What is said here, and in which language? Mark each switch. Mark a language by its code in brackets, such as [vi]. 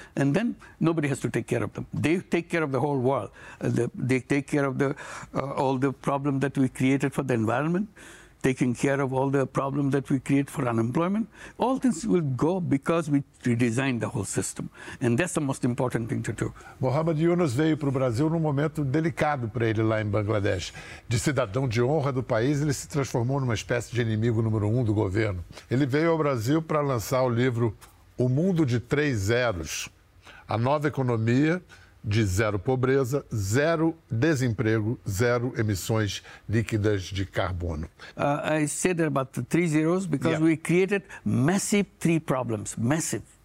[en] And then nobody has to take care of them. They take care of the whole world. They take care of all the problem that we created for the environment. taking care of all the problems that we create for unemployment. All things will go because we redesigned the whole system. And that's the most important thing to do. [pt] Mohamed Yunus veio para o Brasil num momento delicado para ele lá em Bangladesh. De cidadão de honra do país, ele se transformou numa espécie de inimigo número um do governo. Ele veio ao Brasil para lançar o livro O Mundo de Três Zeros, a nova economia de zero pobreza, zero desemprego, zero emissões líquidas de carbono. [en] I said about the three zeros because we created massive three problems, massive.